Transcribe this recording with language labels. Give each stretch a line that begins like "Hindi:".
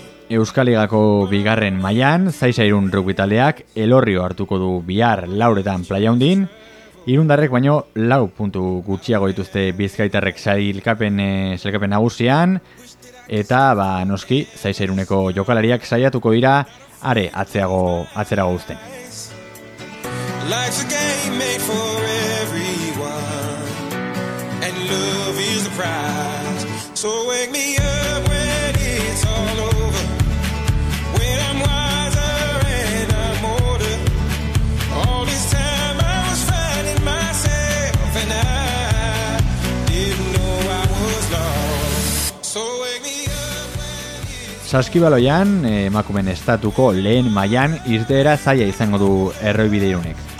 Basque: Euskaligako bigarren mailan, Zaizairun rugby taldeak Elorrio hartuko du bihar 4:00 Playaundin. Irundarrek baino 4 puntu gutxiago dituzte Bizkaitarrek sailkapen nagusian, eta ba noski Zaizairuneko jokalariak saiatuko dira are atzerago uzten.
English: Life's a game made for everyone, and love is the prize. So wake me up when it's all over, when I'm wiser and I'm older. All this time I was finding myself, and I didn't know I was lost. So wake me up when it's...
Basque: Saskibaloian, emakumen estatuko lehen mailan irteera zaila izango du Erroibide Irunek.